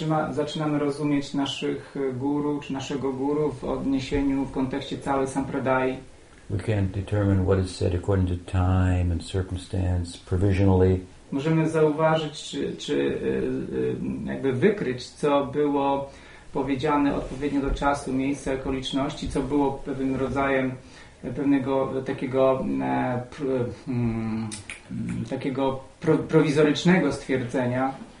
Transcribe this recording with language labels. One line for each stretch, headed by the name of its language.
Polish: Zaczynamy rozumieć naszych guru czy naszego guru w odniesieniu w kontekście całej sampradai.
English: We can determine what is said according to time and circumstance provisionally.
Polish: Możemy zauważyć czy jakby wykryć co było powiedziane odpowiednio do czasu, miejsca, okoliczności, co było pewnym rodzajem pewnego takiego prowizorycznego stwierdzenia.